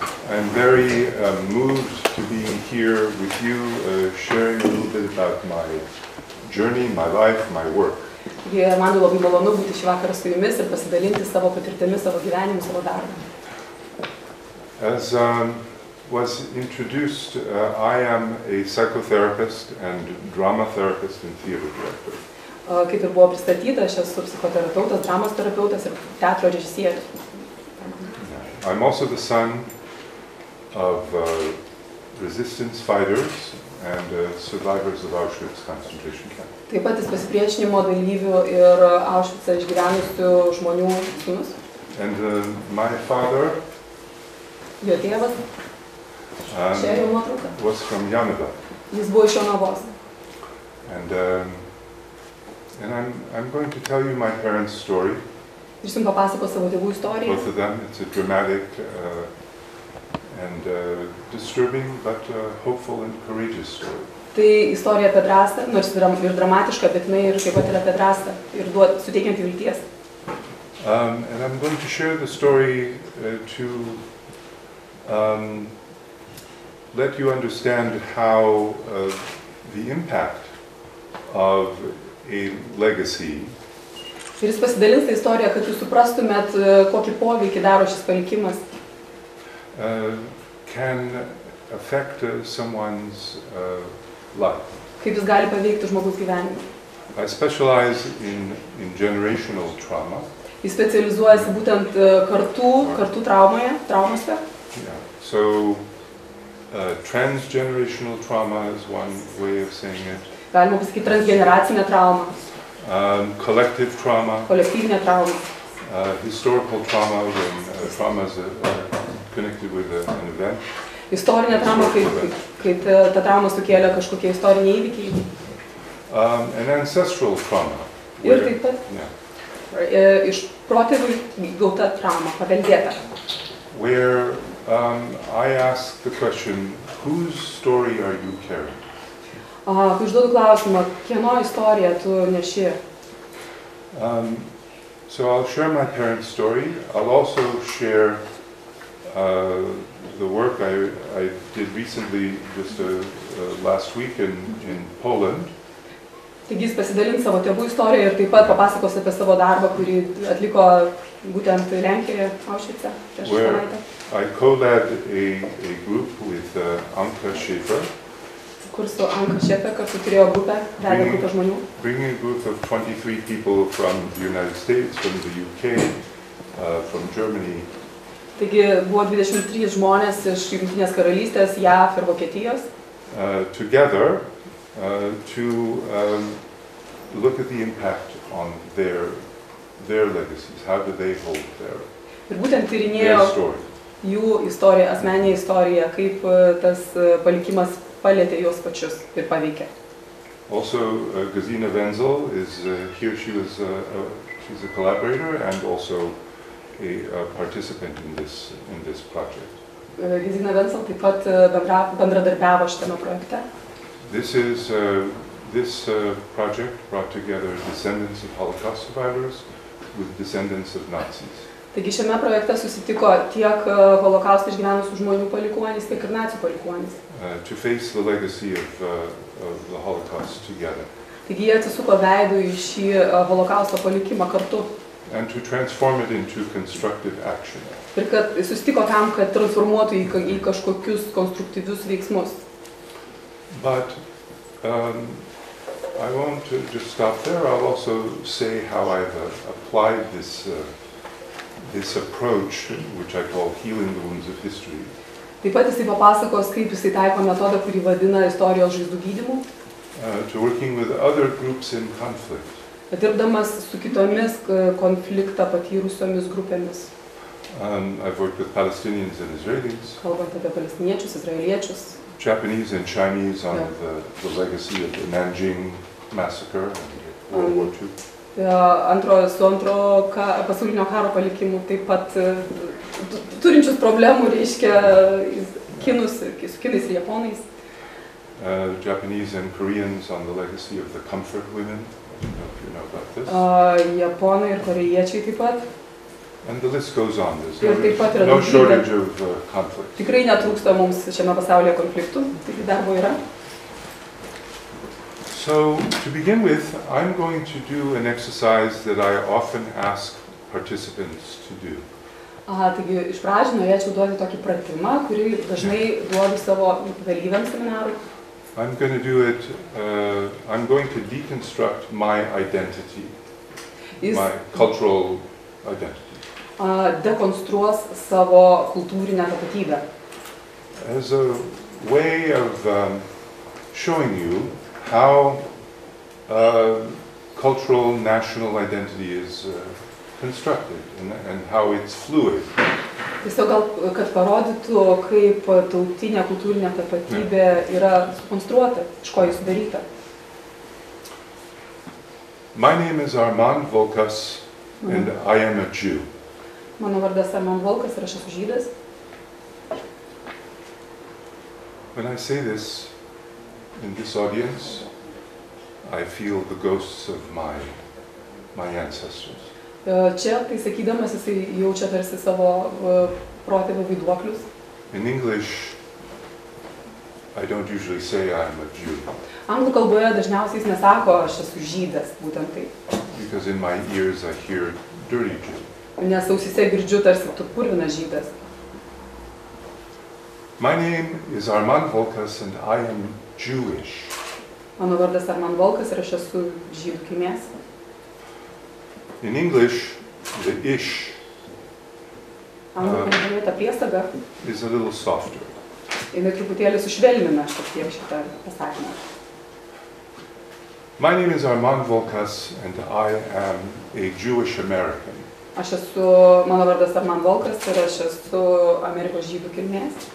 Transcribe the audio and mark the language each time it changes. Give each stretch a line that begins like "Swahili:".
English: I'm very moved to be here with you, sharing a little bit about my journey, my life, my work.
Lithuanian: Man labai malonu būti šį vakarą su jumis ir pasidalinti savo patirtimi, savo gyvenimu, savo darbu.
English: As was introduced, I am a psychotherapist and drama therapist and theater director.
Lithuanian: Kaip ir buvo pristatyta, aš esu psichoterapeutas, dramos terapeutas ir teatro režisierius.
English: I'm also the son of resistance fighters and survivors of Auschwitz concentration camp.
Lithuanian: Taip pat esu pasipriešinimo dalyvių ir Auschwitz'e išgyvenusių žmonių sūnus.
English: And my father,
Lithuanian: jo tėvas, čia jo nuotrauka,
English: was from Jonava.
Lithuanian: Jis buvo iš Jonavos.
English: And I'm going to tell you my parents' story.
Lithuanian: Ir jums papasakosiu savo tėvų istoriją.
English: Both of them, it's a dramatic and disturbing, but hopeful and courageous story.
Lithuanian: Tai istorija apie drąsą, nors ir dramatiška, bet jinai ir taip pat yra apie drąsą, ir suteikianti vilties.
English: And I'm going to share the story to let you understand how the impact of a legacy.
Lithuanian: Ir jis pasidalins tą istoriją, kad jūs suprastumėt, kokį poveikį daro šis palikimas.
English: Can affect someone's life.
Lithuanian: Kaip jis gali paveikti žmogaus gyvenimą.
English: I specialize in generational trauma.
Lithuanian: Jis specializuojasi būtent kartų traumoje, traumose.
English: So transgenerational trauma is one way of saying it.
Lithuanian: Galima pasakyti transgeneracinė trauma.
English: Collective trauma.
Lithuanian: Kolektyvinė trauma.
English: Historical trauma, when trauma is connected with an event.
Lithuanian: Istorinė trauma, kai ta trauma sukėlė kažkokie istoriniai įvykiai.
English: An ancestral trauma.
Lithuanian: Ir taip pat. Iš protėvių gauta trauma, paveldėta.
English: Where I ask the question, whose story are you carrying?
Lithuanian: Kai užduodu klausimą, kieno istoriją tu neši?
English: So I'll share my parents' story. I'll also share the work I did recently, just last week in Poland.
Lithuanian: Taigi jis pasidalins savo tėvų istoriją ir taip pat papasakos apie savo darbą, kurį atliko būtent Lenkijoje, Auschwitz'e, prieš savaitę.
English: I co-led a group with Anka Schaefer.
Lithuanian: Kur su Anka Schaefer kartu turėjo grupę, vedė grupę žmonių.
English: Bringing a group of 23 people from the United States, from the UK, from Germany.
Lithuanian: Taigi buvo 23 žmonės iš Jungtinės karalystės, JAV ir Vokietijos.
English: Together to look at the impact on their legacies. How do they hold their story?
Lithuanian: Ir būtent tyrinėjo jų istoriją, asmeninę istoriją, kaip tas palikimas palietė juos pačius ir paveikė.
English: Also, Gesine Wenzel is here. She was she's a collaborator and also a participant in this project.
Lithuanian: Gesine Wenzel taip pat bendradarbiavo šitame projekte.
English: This is this project brought together descendants of Holocaust survivors with descendants of Nazis.
Lithuanian: Taigi šiame projekte susitiko tiek Holokaustą išgyvenusių žmonių palikuonys, tiek ir nacių palikuonys.
English: To face the legacy of the Holocaust together.
Lithuanian: Taigi jie atsisuko veidu į šį Holokausto palikimą kartu.
English: And to transform it into constructive action.
Lithuanian: Ir kad susitiko tam, kad transformuotų į kažkokius konstruktyvius veiksmus.
English: But I want to just stop there. I'll also say how I've applied this this approach, which I call healing the wounds of history.
Lithuanian: Taip pat jisai papasakos, kaip jisai taiko metodą, kurį vadina istorijos žaizdų gydymu.
English: To working with other groups in conflict.
Lithuanian: Dirbdamas su kitomis konfliktą patyrusiomis grupėmis.
English: I've worked with Palestinians and Israelis.
Lithuanian: Kalbant apie palestiniečius, izraeliečius.
English: Japanese and Chinese on the legacy of the Nanjing massacre and World War II.
Lithuanian: Su antro pasaulinio karo palikimu taip pat turinčius problemų, reiškia, kinus, su kinais ir japonais.
English: Japanese and Koreans on the legacy of the comfort women. I don't know if you know about this.
Lithuanian: Japonai ir korejiečiai taip pat.
English: And the list goes on. There's no shortage of conflict.
Lithuanian: Tikrai netrūksta mums šiame pasaulyje konfliktų, taigi darbo yra.
English: So, to begin with, I'm going to do an exercise that I often ask participants to do.
Lithuanian: Taigi, iš pradžių norėčiau duoti tokį pratimą, kurį dažnai duodu savo dalyviams seminarų.
English: I'm going to do it, I'm going to deconstruct my identity, my cultural identity.
Lithuanian: Dekonstruos savo kultūrinę tapatybę.
English: As a way of showing you how cultural national identity is constructed and how it's fluid.
Lithuanian: Tiesiog gal kad parodytų, kaip tautinė kultūrinė tapatybė yra sukonstruota, iš ko jis sudaryta.
English: My name is Armand Volkas and I am a Jew.
Lithuanian: Mano vardas Armand Volkas ir aš esu žydas.
English: When I say this in this audience, I feel the ghosts of my ancestors.
Lithuanian: Čia, tai sakydamas, jisai jaučia tarsi savo protėvių vaiduoklius.
English: In English, I don't usually say I'm a Jew.
Lithuanian: Anglų kalboje dažniausiai jis nesako, aš esu žydas, būtent taip.
English: Because in my ears I hear dirty Jew.
Lithuanian: Nes ausyse girdžiu tarsi tu purvinas žydas.
English: My name is Armand Volkas and I am Jewish.
Lithuanian: Mano vardas Armand Volkas ir aš esu žydų kilmės.
English: In English, the ish is a little softer.
Lithuanian: Jis truputėlį sušvelnina šitą pasakymą.
English: My name is Armand Volkas and I am a Jewish American.
Lithuanian: Aš esu, mano vardas Armand Volkas ir aš esu Amerikos žydų kilmės.